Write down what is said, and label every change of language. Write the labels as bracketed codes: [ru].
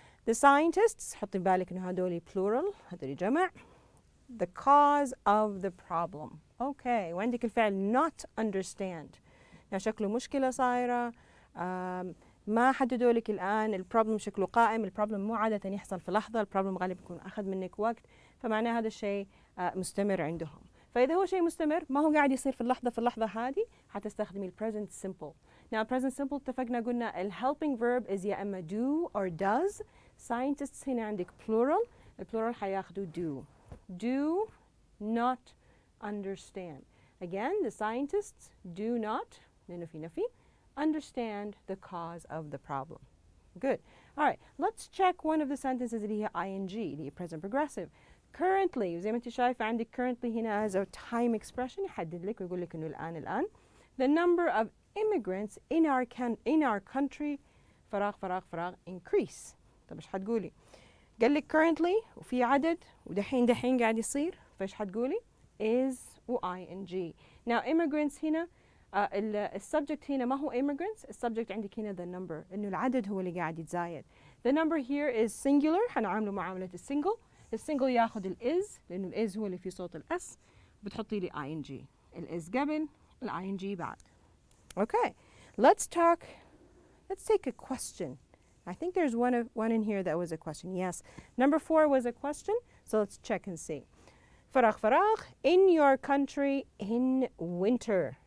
[ar] The scientists, حطي بالك إنه هادولي plural, هادولي جمع. [en] The cause of the problem. Okay, [ar] وعندك الفعل [en] not understand. [ar] Now, شكله مشكلة صايرة. ما حددوا لك الآن ال problem شكله قائم. ال problem مو عادة يحصل في لحظة. ال problem غالب يكون أخذ منك وقت. فمعناه هذا الشيء مستمر عندهم. فإذا هو شيء مستمر ما هو قاعد يصير في اللحظة هذه حتستخدمي ال present simple. [en] Now, present simple [ar] اتفقنا قلنا [en] ال helping verb is [ar] يا إما [en] do or does. Scientists [ar] هنا عندك [en] plural. The plural [ar] حياخدوا [en] do. Do not understand. Again, the scientists do not, [ar] لأنه في نفي, [en] understand the cause of the problem. Good. All right. Let's check one of the sentences [ar] اللي هي [en] ing, the present progressive. [ar] Currently, زي ما انت شايف عندك currently هنا [en] as a time expression [ar] يحدد لك ويقول لك انه الآن. [en] The number of immigrants in our country, [ar] فراغ, [en] increase. [ar] طب ايش حتقولي؟ قال لك currently وفي عدد ودحين قاعد يصير فايش حتقولي؟ is و ing. Now immigrants هنا السبجكت هنا ما هو immigrants, السبجكت عندك هنا the number انه العدد هو اللي قاعد يتزايد. [en] The number here is singular, [ar] حنعامله معاملة السنجل. السنجل ياخذ ال is لانه ال is هو اللي في صوت ال s بتحطي لي ing. ال is قبل ال ing بعد. [en] Okay, let's take a question. I think there's one in here that was a question. Yes, number four was a question. So let's check and see. [ar] فراغ, [en] in your country in winter.